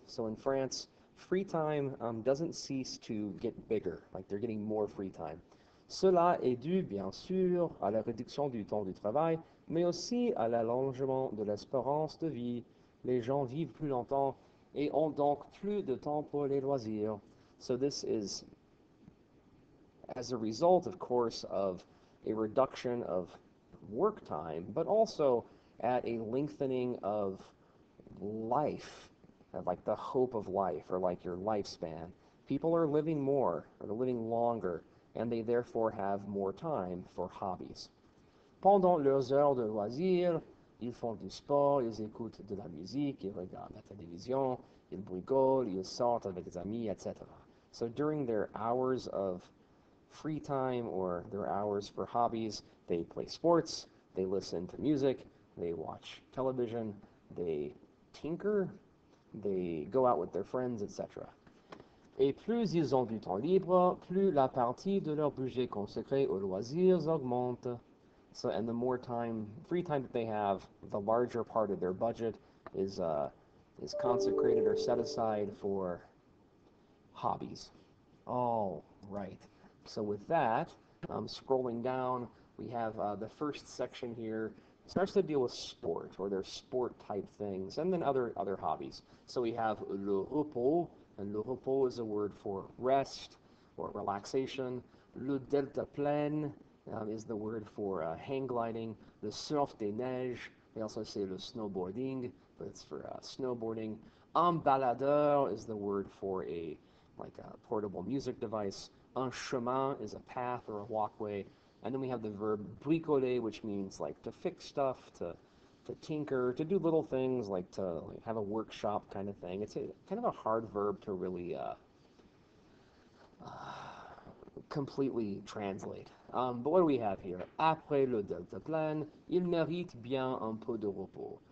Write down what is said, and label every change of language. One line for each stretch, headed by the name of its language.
English: So, in France, free time doesn't cease to get bigger. Like, they're getting more free time.
French: Cela est dû, bien sûr, à la réduction du temps du travail, mais aussi à l'allongement de l'espérance de vie. Les gens vivent plus longtemps et ont donc plus de temps pour les loisirs.
English: So, this is as a result, of course, of a reduction of work time, but also at a lengthening of life, like the hope of life or like your lifespan. People are living more, or they're living longer, and they therefore have more time for hobbies.
French: Pendant leurs heures de loisirs, ils font du sport, ils écoutent de la musique, ils regardent la télévision, ils bricolent, ils sortent avec des amis, etc.
English: So during their hours of free time or their hours for hobbies, they play sports, they listen to music, they watch television, they tinker, they go out with their friends, etc.
French: Et plus ils ont du temps libre, plus la partie de leur budget consacrée aux loisirs augmente.
English: So, and the more time, free time that they have, the larger part of their budget is consecrated or set aside for hobbies. All right. So with that, scrolling down, we have the first section here. It starts to deal with sport or their sport type things, and then other hobbies. So we have le repos, and le repos is a word for rest or relaxation. Le delta plane is the word for hang gliding. Le surf des neiges. They also say le snowboarding, but it's for snowboarding. Un baladeur is the word for a portable music device. Un chemin is a path or a walkway. And then we have the verb bricoler, which means like to fix stuff, to tinker, to do little things, like to like, have a workshop kind of thing. It's a kind of a hard verb to really completely translate. But what do we have here?
French: Après le deltaplane, il mérite bien un peu de repos.